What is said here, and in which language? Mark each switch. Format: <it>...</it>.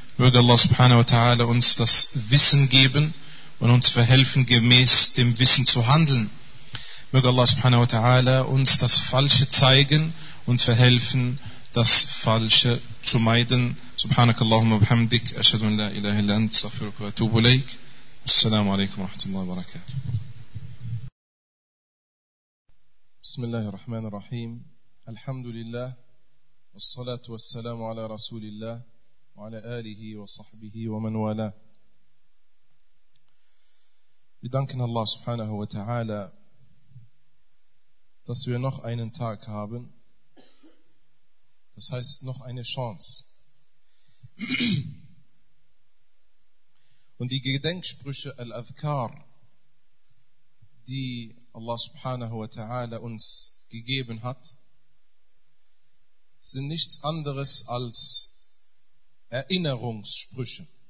<de>Möge Allah subhanahu wa ta'ala uns das Wissen geben und uns verhelfen, gemäß dem Wissen zu handeln. Möge Allah subhanahu wa ta'ala uns das Falsche zeigen und verhelfen, das Falsche zu meiden.</de> <ar>Subhanakallahumma bihamdik. Ashhadu an la ilaha illa anta. Astaghfiruka wa atubu ilayk. السلام عليكم ورحمة الله وبركاته بسم الله الرحمن الرحيم الحمد لله والصلاة والسلام على رسول الله وعلى آله وصحبه ومن والاه بدانكن الله سبحانه وتعالى</ar> <de>dass wir noch einen Tag haben, das heißt noch eine Chance. Und die Gedenksprüche Al-Adhkar, die Allah subhanahu wa ta'ala uns gegeben hat, sind nichts anderes als Erinnerungssprüche.</de>